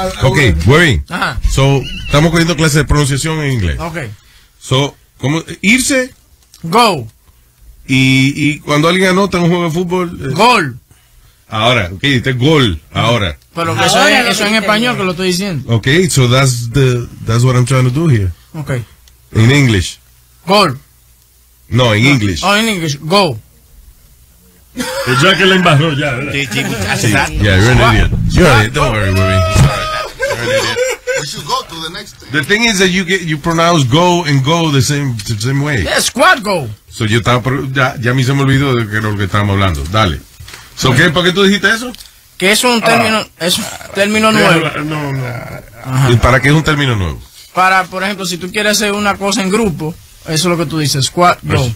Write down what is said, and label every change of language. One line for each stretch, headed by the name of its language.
English: Ok, Webin.
Spanish: So, estamos cogiendo clases de pronunciación en inglés.
English: Ok.
Spanish: So, ¿cómo? Irse.
English: Go.
Spanish: Y cuando alguien anota en un juego de fútbol. Gol. Ahora, ok, dijiste gol, ahora. Pero que eso es que en español que lo estoy diciendo.
English: Ok, so that's what I'm trying to do here. Ok. In English.
Spanish: Gol.
English: No, in English. Oh, in English, go.
Spanish: Ya que le embarró ya, ¿verdad?
English: Yeah, you're an idiot. You're an idiot, don't worry, baby. You're an idiot. The thing is that you pronounce go and go the same way. Yeah, squad go.
Spanish: So yo estaba ya a mí se me olvidó de que era lo que estábamos hablando. Dale.
English: So okay.
Spanish: ¿Para qué tú dijiste eso? Que es un término es un término nuevo. No. ¿Y para qué es un término nuevo? Para, por ejemplo, si tú quieres hacer una cosa en grupo, eso es lo que tú dices, squad go.